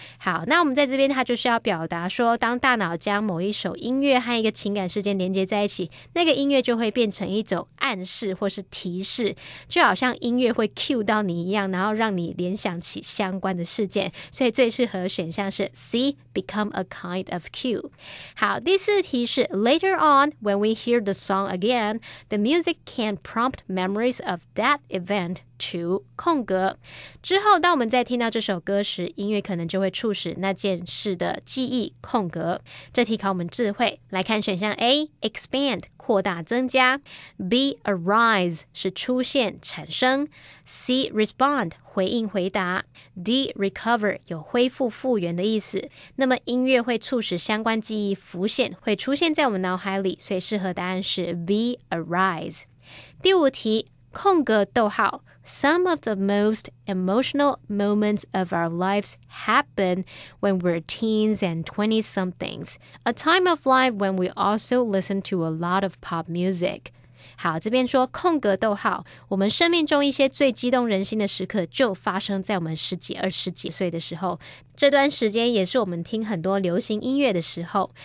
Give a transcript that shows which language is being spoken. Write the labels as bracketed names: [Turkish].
[Chinese] 好，那我们在这边它就是要表达说，当大脑将某一首音乐和一个情感事件连接在一起，那个音乐就会变成一种暗示或是提示，就好像音乐会 cue 到你一样，然后让你联想起相关的事件，所以最适合的选项是 C, [English] become a kind of cue. [Chinese] 好，第四题是 [English] Later on, when we hear the song again, the music can prompt memories of that event to 空格。 [Chinese] 之后，当我们在听到这首歌时，音乐可能就会促使那件事的记忆空格。这题考我们智慧。来看选项 A, expand. 扩大增加 ，B arise 是出现产生 ，C respond 回应回答 ，D recover 有恢复复原的意思。那么音乐会促使相关记忆浮现，会出现在我们脑海里，所以适合答案是 B arise。第五题。 [English] 空格逗号 Some of the most emotional moments of our lives happen when we're teens and 20-somethings, a time of life when we also listen to a lot of pop music. [Chinese] 好，这边说空格逗号，我们生命中一些最激动人心的时刻就发生在我们十几二十几岁的时候，这段时间也是我们听很多流行音乐的时候。